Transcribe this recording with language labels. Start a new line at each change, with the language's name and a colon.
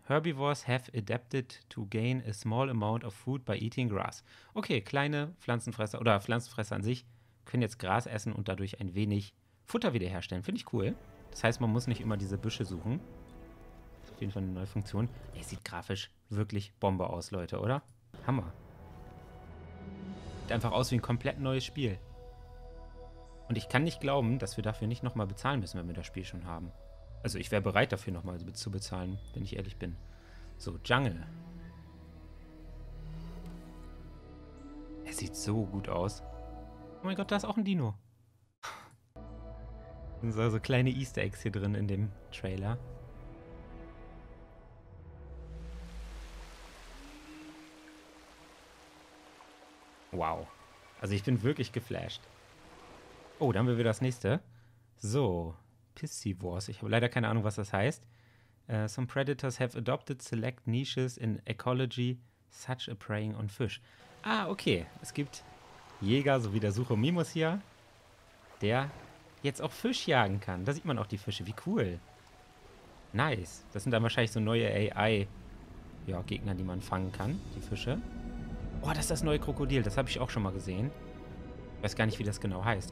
English: Herbivores have adapted to gain a small amount of food by eating grass.
German: Okay, kleine Pflanzenfresser oder Pflanzenfresser an sich können jetzt Gras essen und dadurch ein wenig Futter wiederherstellen. Finde ich cool. Das heißt, man muss nicht immer diese Büsche suchen. Auf jeden Fall eine neue Funktion. Ey, sieht grafisch wirklich Bombe aus, Leute, oder? Hammer. Sieht einfach aus wie ein komplett neues Spiel. Und ich kann nicht glauben, dass wir dafür nicht nochmal bezahlen müssen, wenn wir das Spiel schon haben. Also ich wäre bereit, dafür nochmal zu bezahlen, wenn ich ehrlich bin. So, Jungle. Es sieht so gut aus. Oh mein Gott, da ist auch ein Dino. Sind so kleine Easter Eggs hier drin in dem Trailer. Wow. Also ich bin wirklich geflasht. Oh, dann haben wir wieder das nächste. So, Piscivores. Ich habe leider keine Ahnung, was das heißt.
English: Some predators have adopted select niches in ecology, such as preying on fish. Ah, okay.
German: Es gibt Jäger, so wie der Sucho Mimus hier, der jetzt auch Fisch jagen kann. Da sieht man auch die Fische. Wie cool. Nice. Das sind dann wahrscheinlich so neue AI-Gegner, die man fangen kann, die Fische. Oh, das ist das neue Krokodil. Das habe ich auch schon mal gesehen. Ich weiß gar nicht, wie das genau heißt.